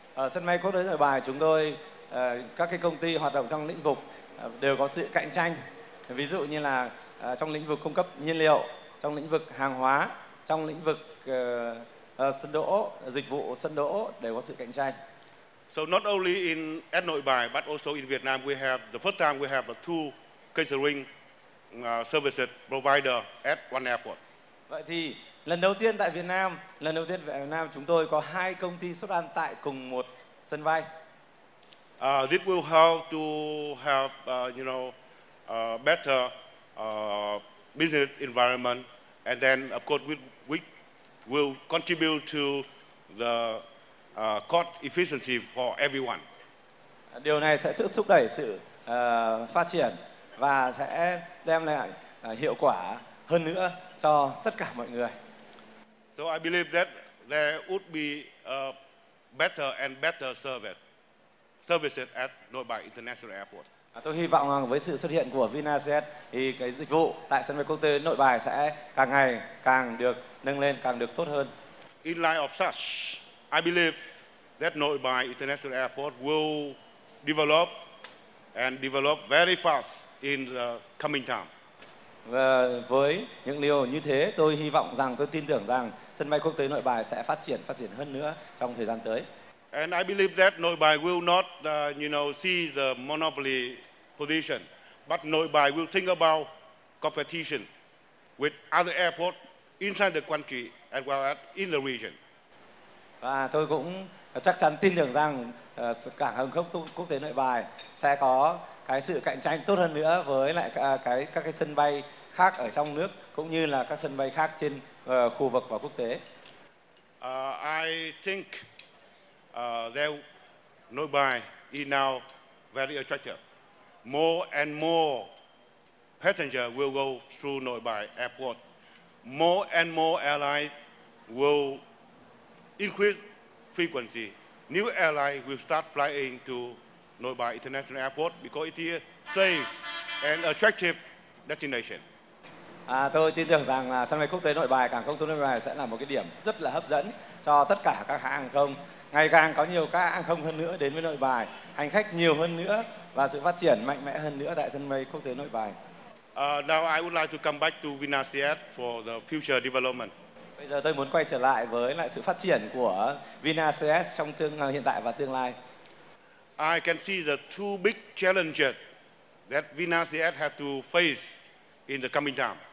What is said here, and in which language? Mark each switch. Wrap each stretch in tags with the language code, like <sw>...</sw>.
<vi>Sân bay quốc tế Nội Bài chúng tôi, các cái công ty hoạt động trong lĩnh vực đều có sự cạnh tranh. Ví dụ như là trong lĩnh vực cung cấp nhiên liệu, trong lĩnh vực hàng hóa, trong lĩnh vực sân đỗ, dịch vụ sân đỗ đều có sự cạnh tranh.</vi> <en>So not only in at Nội Bài but also in Vietnam we have the first time we have a two catering services provider at one airport.</en> <vi>Vậy thì lần đầu tiên tại Việt Nam, lần đầu tiên tại Việt Nam chúng tôi có hai công ty xuất ăn tại cùng một sân bay.</vi> <en>This will help to have you know better business environment and then of course we will contribute to the cost efficiency for everyone.</en> <vi>Điều này sẽ thúc đẩy sự phát triển và sẽ đem lại hiệu quả hơn nữa cho tất cả mọi người.</vi> <en>So I believe that there would be a better and better services at Nội Bài International Airport.</en> <vi>Tôi hy vọng rằng với sự xuất hiện của VinaJet thì cái dịch vụ tại sân bay quốc tế Nội Bài sẽ càng ngày càng được nâng lên, càng được tốt hơn.</vi> <en>In light of such, I believe that Nội Bài International Airport will develop and develop very fast in the coming time.</en> <vi>Và với những điều như thế, tôi hy vọng rằng, tôi tin tưởng rằng sân bay quốc tế Nội Bài sẽ phát triển hơn nữa trong thời gian tới.</vi> <en>And I believe that Nội Bài will not, you know, see the monopoly position, but Nội Bài will think about competition with other airports inside the country as well as in the region.</en> <vi>Và tôi cũng chắc chắn tin tưởng rằng cảng hàng không quốc tế Nội Bài sẽ có cái sự cạnh tranh tốt hơn nữa với lại các cái sân bay khác ở trong nước cũng như là các sân bay khác trên khu vực và quốc tế.</vi> <en>I think that Nội Bài is now very attractive. More and more passengers will go through Nội Bài Airport. More and more airlines will increase frequency. New airlines will start flying to Nội Bài International Airport because it is a safe and attractive destination.</en> <vi>Tôi tin tưởng rằng là sân bay quốc tế Nội Bài, cảng không quốc tế Nội Bài sẽ là một cái điểm rất là hấp dẫn cho tất cả các hãng hàng không. Ngày càng có nhiều các hãng không hơn nữa đến với Nội Bài, hành khách nhiều hơn nữa và sự phát triển mạnh mẽ hơn nữa tại sân bay quốc tế Nội Bài.</vi> <en>Now I would like to come back to VinaJet for the future development.</en> <vi>Bây giờ tôi muốn quay trở lại với lại sự phát triển của VinaJet trong hiện tại và tương lai.</vi> <en>I can see the two big challenges that VinaJet have to face in the coming time.</en>